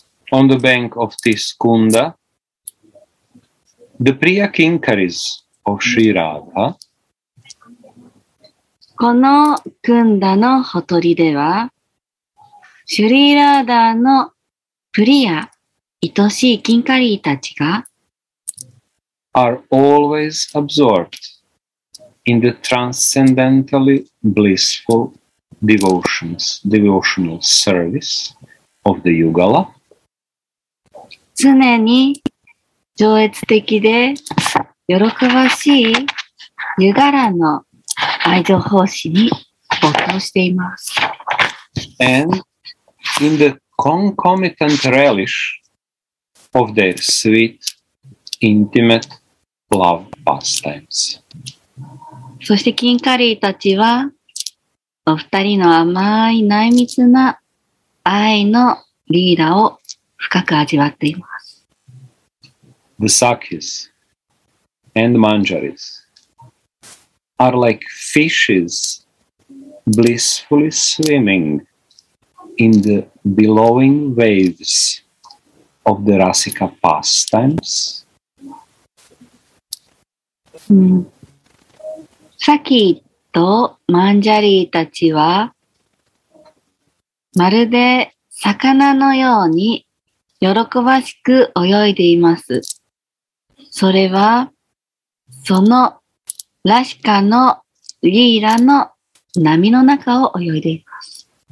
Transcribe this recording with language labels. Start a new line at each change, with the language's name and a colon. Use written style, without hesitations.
English: On the bank of this kunda, the Priya Kinkaris of Sri Radha.
Japanese: このクンダのほとりでは、シュリーラーダーのプリア、愛しいキンカリーたちが、
English: are always absorbed in the transcendentally blissful devotions, devotional service of the Yugala.
Japanese: 常に超越的で喜ばしいユガラの愛情奉仕に没頭しています。
English: And in the concomitant relish of their sweet, intimate,Love pastimes.
Japanese: そしてキンカリーたちはお二人の甘い内密な愛のリーダーを深く味わっています。
English: The Sakis and Manjaris are like fishes blissfully swimming in the billowing waves of the Rasika pastimes
Japanese: うん、サキとマンジャリーたちはまるで魚のように喜ばしく泳いでいます。それはそのラシカのリーラの波の中を泳いでいます。